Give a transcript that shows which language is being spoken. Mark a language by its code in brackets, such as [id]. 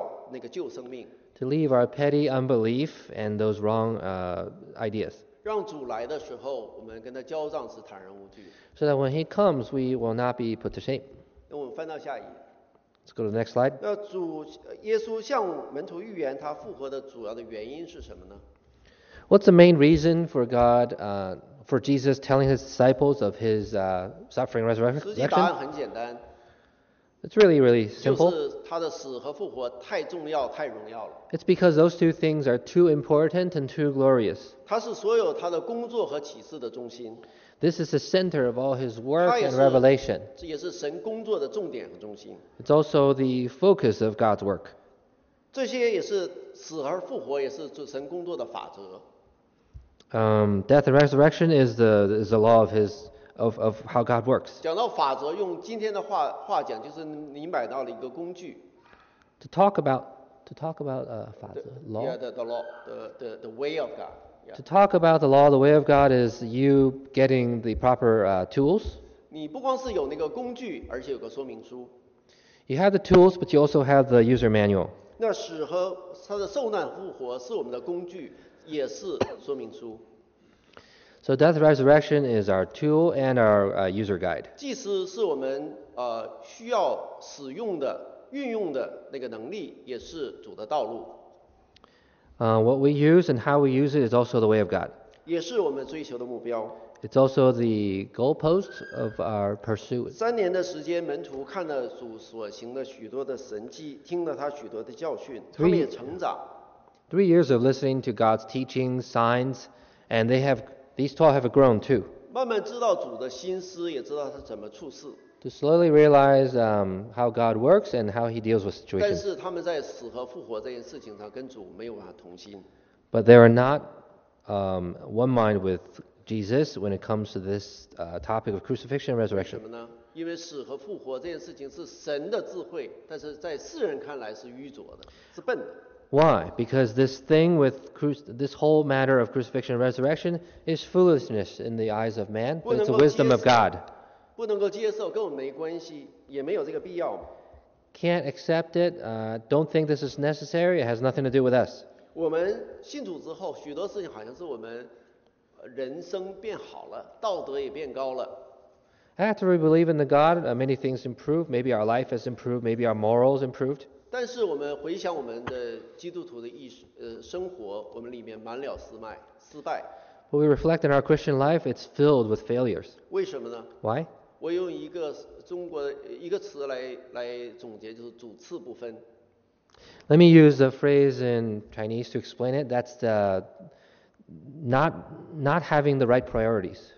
[en] To leave our petty unbelief and those wrong ideas. [zh] 让主来的时候，我们跟他交账是坦然无惧。 [en] So that when he comes, we will not be put to shame. [zh] 那我们翻到下一页。 [en] Let's go to the next slide. [zh] 那主耶稣向门徒预言他复活的主要的原因是什么呢？ [en] What's the main reason for God, for Jesus telling his disciples of his suffering resurrection? [zh] 实际答案很简单。 [en] It's really, really simple. [zh] 就是他的死和复活太重要，太荣耀了。 [en] It's because those two things are too important and too glorious. [zh] 他是所有他的工作和启示的中心。 [en] This is the center of all his work and revelation. [zh] 这也是神工作的重点和中心。 [en] It's also the focus of God's work. [zh] 这些也是死而复活，也是神工作的法则。 [en] Death and resurrection is the law of his. Of how God works. [zh] 讲到法则，用今天的话讲，就是你买到了一个工具。 [en] To talk about 法则 law. Yeah, the law, the way of God. Yeah. To talk about the law, the way of God is you getting the proper tools. [zh] 你不光是有那个工具，而且有个说明书。 [en] You have the tools, but you also have the user manual. [zh] 那死和他的受难复活是我们的工具，也是说明书。 [en] So death and resurrection is our tool and our user guide. [zh] 祭司是我们需要使用的、运用的那个能力，也是主的道路。 [en] What we use and how we use it is also the way of God. [zh] 也是我们追求的目标。 [en] It's also the goalpost of our pursuit. [zh] 三年的时间，门徒看了主所行的许多的神迹，听了他许多的教训，他们也成长。 [en] Three years of listening to God's teachings, signs, and they have These 12 have grown too. [zh] 慢慢知道主的心思，也知道他怎么处事。 [en] To slowly realize how God works and how He deals with situations. [zh] 但是他们在死和复活这件事情上跟主没有办法同心。 [en] But they are not one mind with Jesus when it comes to this topic of crucifixion and resurrection. [zh] 为什么呢？因为死和复活这件事情是神的智慧，但是在世人看来是愚拙的，是笨的。 [en] Why? Because this thing with this whole matter of crucifixion and resurrection is foolishness in the eyes of man, but it's the wisdom of God. [zh] 不能够接受，跟我们没关系，也没有这个必要。 [en] Can't accept it. Don't think this is necessary. It has nothing to do with us. [zh] 我们信主之后，许多事情好像是我们人生变好了，道德也变高了。 [en] After we believe in the God, many things improve. Maybe our life has improved. Maybe our morals improved. [zh] 但是我们回想我们的基督徒的生活，我们里面满了失败。 [en] When we reflect in our Christian life, it's filled with failures. [zh] 为什么呢 [en] ？Why？ [zh] 我用一个中国一个词来总结，就是主次不分。 [en] Let me use a phrase in Chinese to explain it. That's the not having the right priorities.